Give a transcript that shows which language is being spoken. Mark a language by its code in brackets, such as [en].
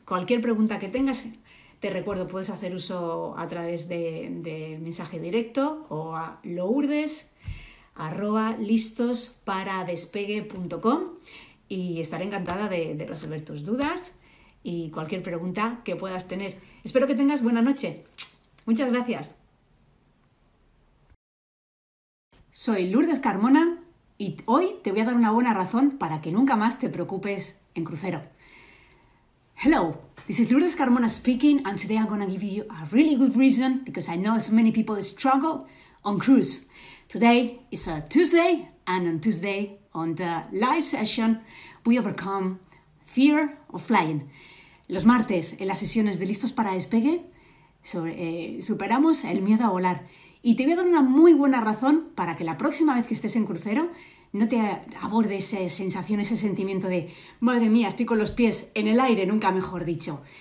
[es] Cualquier pregunta que tengas, te recuerdo, puedes hacer uso a través de mensaje directo o a lourdes@listosparadespegue.com, y estaré encantada de resolver tus dudas y cualquier pregunta que puedas tener. Espero que tengas buena noche. Muchas gracias. Soy Lourdes Carmona y hoy te voy a dar una buena razón para que nunca más te preocupes en crucero. [en] Hello, this is Lourdes Carmona speaking, and today I'm going to give you a really good reason because I know so many people struggle on cruise. Today is a Tuesday, and on Tuesday, on the live session, we overcome fear of flying. [es] Los martes, en las sesiones de Listos para Despegue, superamos el miedo a volar. Y te voy a dar una muy buena razón para que la próxima vez que estés en crucero no te aborde esa sensación, ese sentimiento de madre mía, estoy con los pies en el aire, nunca mejor dicho.